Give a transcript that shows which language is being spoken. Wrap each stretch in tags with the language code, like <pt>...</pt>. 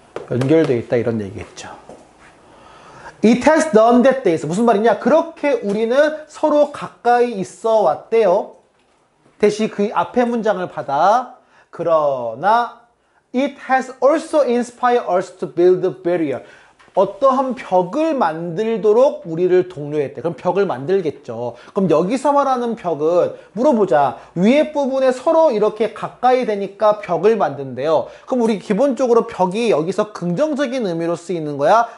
<ko>연결되어 있다, 이런 얘기겠죠.</ko> <en>It has done that days.</en> <ko>무슨 말이냐? 그렇게 우리는 서로 가까이 있어 왔대요. 대신 그 앞에 문장을 받아. 그러나,</ko> <en>It has also inspired us to build a barrier.</en> <ko>어떠한 벽을 만들도록 우리를 독려했대. 그럼 벽을 만들겠죠. 그럼 여기서 말하는 벽은 물어보자. 위에 부분에 서로 이렇게 가까이 되니까 벽을 만든대요. 그럼 우리 기본적으로 벽이 여기서 긍정적인 의미로 쓰이는 거야?</ko>